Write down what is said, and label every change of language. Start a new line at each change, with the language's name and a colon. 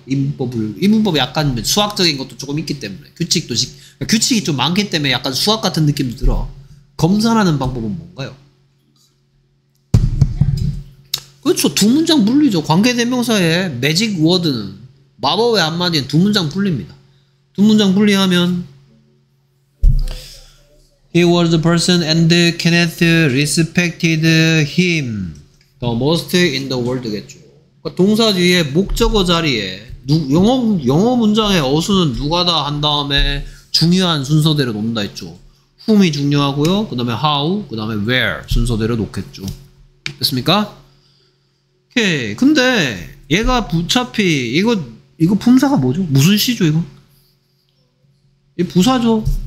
Korean: 인문법을 인문법이 약간 수학적인 것도 조금 있기 때문에 규칙도 규칙이 좀 많기 때문에 약간 수학 같은 느낌도 들어. 검산하는 방법은 뭔가요? 그렇죠. 두 문장 분리죠. 관계대명사의 매직 워드는 마법의 한마디는 두 문장 분리입니다. 두 문장 분리하면
English: He was the person and Kenneth respected him the most in the world겠죠.
Korean: 동사 뒤에 목적어 자리에 영어 문장의 어순은 누가 다 한 다음에 중요한 순서대로 놓는다 했죠. whom이 중요하고요. 그 다음에 how, 그 다음에 where 순서대로 놓겠죠. 됐습니까? 오케이. 근데 얘가 부차피 이거 품사가 뭐죠? 무슨 시죠 이거? 이 부사죠.